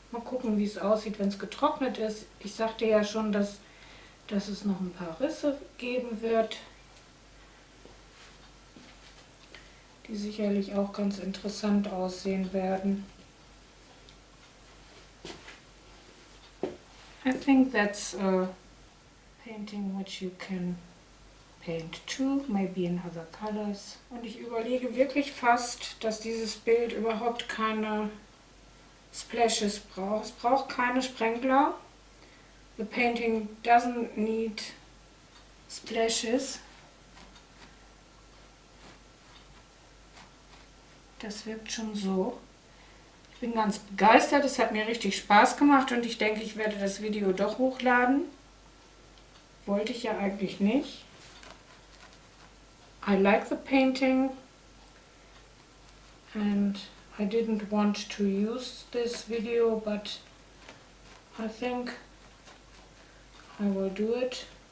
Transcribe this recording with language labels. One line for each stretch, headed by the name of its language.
German: Mal gucken, wie es aussieht, wenn es getrocknet ist. Ich sagte ja schon, dass es noch ein paar Risse geben wird, die sicherlich auch ganz interessant aussehen werden.
English: I think that's a painting which you can paint too, maybe in other colors.
German: Und ich überlege wirklich fast, dass dieses Bild überhaupt keine Splashes braucht. Es braucht keine Sprenkler.
English: The painting doesn't need Splashes.
German: Das wirkt schon so. Ich bin ganz begeistert, es hat mir richtig Spaß gemacht und ich denke, ich werde das Video doch hochladen. Wollte ich ja eigentlich nicht.
English: I like the painting and I didn't want to use this video, but I think I will do it.